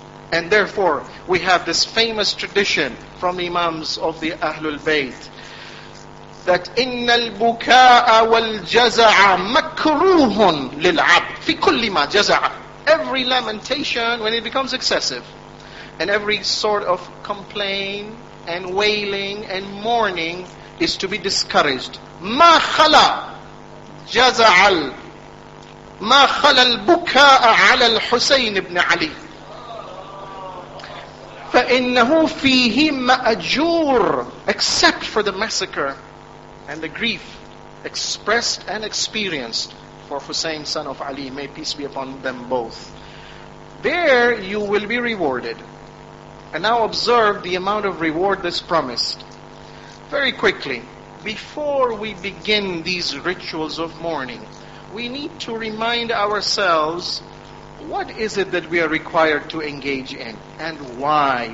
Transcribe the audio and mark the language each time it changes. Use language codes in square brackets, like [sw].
[en] And therefore, we have this famous tradition from Imams of the Ahlul Bayt that [ar] إِنَّ الْبُكَاءَ وَالْجَزَعَ مَكْرُوهٌ لِلْعَبْدِ فِي كُلِّ مَا جَزَعَ [en] Every lamentation, when it becomes excessive, And every sort of complaint and wailing and mourning is to be discouraged. [ar] ما خلا جزعل ما خلا البكاء على الحسين بن علي فإنه فيه مأجور. [en] Except for the massacre and the grief expressed and experienced for Hussein son of Ali, may peace be upon them both, there you will be rewarded. And now observe the amount of reward that's promised. Very quickly, before we begin these rituals of mourning, we need to remind ourselves, what is it that we are required to engage in? And why?